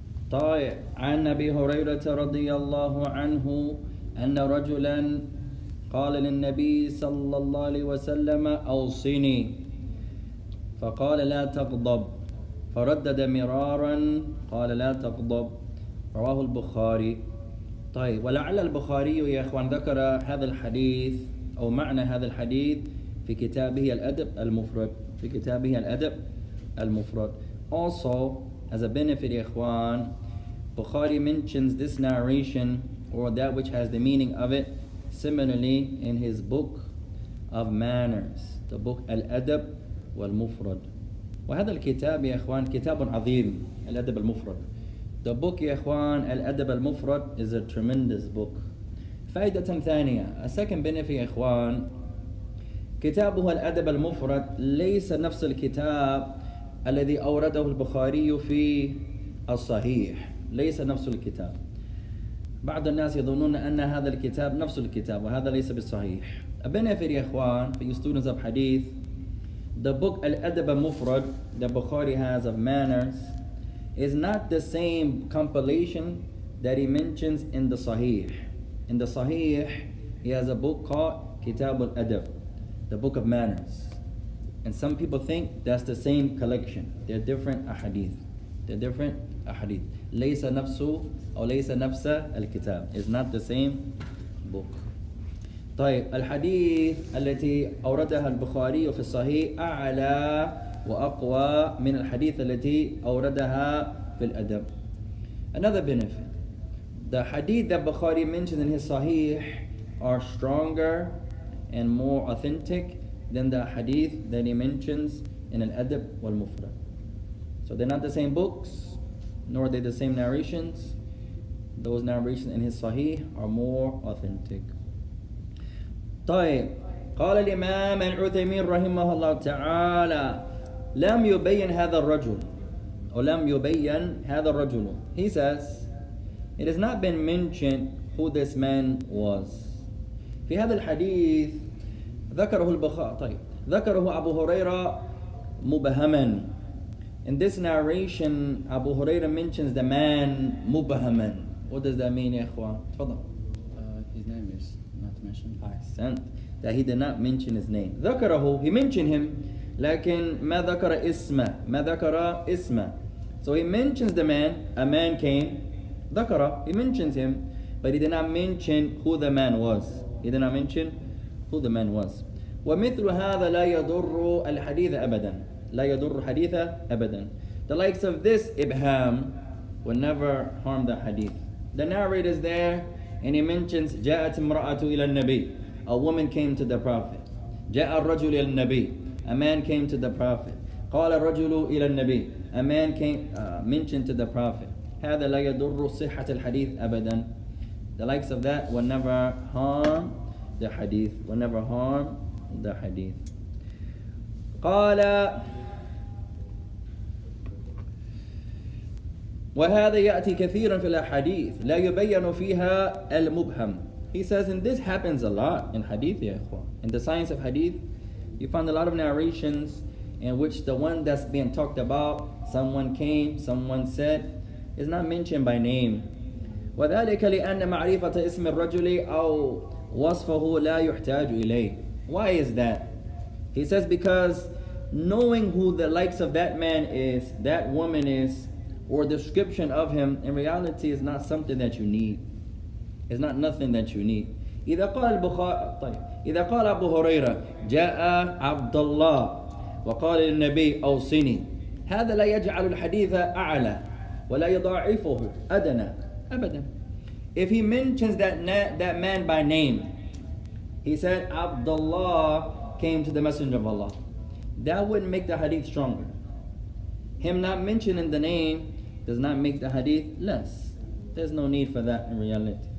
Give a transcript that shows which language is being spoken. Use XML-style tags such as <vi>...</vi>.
<ar>طيب، عن أبي هريرة رضي الله عنه أن رجلا قال للنبي صلى الله عليه وسلم أوصني، فقال لا تغضب، فردد مرارا قال لا تغضب، رواه البخاري. طيب، ولعل البخاري يا أخوان ذكر هذا الحديث أو معنى هذا الحديث في كتابه الأدب المفرد، في كتابه الأدب المفرد.</ar> <en>Also as a benefit</en> <ar>يا أخوان،</ar> <en>Bukhari mentions this narration or that which has the meaning of it similarly in his book of manners, the book Al-Adab wal-Mufrad.</en> <ar>وهذا الكتاب يا أخوان كتاب عظيم، الأدب المفرد.</ar> <en>The book</en> <ar>يا أخوان</ar> <en>الأدب المفرد is a tremendous book.</en> <ar>فائدة ثانية،</ar> <en>a second benefit</en> <ar>يا أخوان، كتابه الأدب المفرد ليس نفس الكتاب الذي أورده البخاري في الصحيح، ليس نفس الكتاب. بعض الناس يظنون أن هذا الكتاب نفس الكتاب وهذا ليس بالصحيح.</ar> <en>A benefit</en> <ar>يا أخوان</ar> <en>for you students of hadith, the book Al-Adab Mufrad that Bukhari has of manners is not the same compilation that he mentions in the Sahih. In the Sahih, he has a book called Kitab Al-Adab, the book of manners. And some people think that's the same collection. They're different ahadith. They're different ahadith.</en> <ar>ليس نفسه أو ليس نفس الكتاب.</ar> <en>It's not the same book.</en> <ar>طيب، الحديث التي أوردها البخاري في الصحيح أعلى وأقوى من الحديث التي أوردها في الأدب.</ar> <en>Another benefit. The hadith that Bukhari mentioned in his Sahih are stronger and more authentic than the hadith that he mentions in Al-Adab wal-Mufrad. So they're not the same books, nor are they the same narrations. Those narrations in his Sahih are more authentic.</en> <ar>طيب، قال الإمام العثيمين رحمه الله تعالى لم يبين هذا الرجل أو لم يبين هذا الرجل.</ar> <en>He says it has not been mentioned who this man was.</en> <ar>في هذا الحديث ذكره البخاري، طيب ذكره أبو هريرة مبهما.</ar> <en>In this narration Abu Huraira mentions the man</en> <ar>مبهما.</ar> <en>What does that mean</en> <ar>يا إخوان؟ تفضل.</ar> <en>His name is not mentioned. Ahsant. That he did not mention his name.</en> <ar>ذكره.</ar> <en>He mentioned him.</en> <ar>لكن ما ذكر اسمه. ما ذكر اسمه.</ar> <en>So he mentions the man. A man came.</en> <ar>ذكر.</ar> <en>He mentions him. But he did not mention who the man was. He did not mention who the man was.</en> <ar>ومثل هذا لا يضر الحديث أبدا. لا يضر حديث أبدا.</ar> <en>The likes of this إبهام will never harm the hadith. The narrator is there. And he mentions</en> <ar>جاءت امرأة إلى النبي.</ar> <en>A woman came to the Prophet.</en> <ar>جاء الرجل إلى النبي.</ar> <en>A man came to the Prophet.</en> <ar>قال الرجل إلى النبي.</ar> <en>A man came mentioned to the Prophet.</en> <ar>هذا لا يضر صحة الحديث أبدا.</ar> <en>The likes of that will never harm the hadith. Will never harm the hadith.</en> <ar>قال وهذا يأتي كثيرا في الأحاديث لا يبين فيها المبهم.</ar> <en>He says, and this happens a lot in hadith,</en> <ar>ya ikhwan.</ar> <en>In the science of hadith, you find a lot of narrations in which the one that's being talked about, someone came, someone said, is not mentioned by name.</en> <ar>وذلك لأن معرفة اسم الرجل أو وصفه لا يحتاج إليه.</ar> <en>Why is that? He says, because knowing who the likes of that man is, that woman is, or description of him, in reality is not something that you need. It's not nothing that you need.</en> <ar>إذا قال البخاري، إذا قال أبو هريرة جاء عبد الله وقال للنبي أوصني، هذا لا يجعل الحديث أعلى ولا يضاعفه أدنى أبدا.</ar> <en>If he mentions that man by name, he said Abdullah came to the Messenger of Allah, that wouldn't make the hadith stronger. Him not mentioning the name does not make the hadith less. There's no need for that in reality.</en>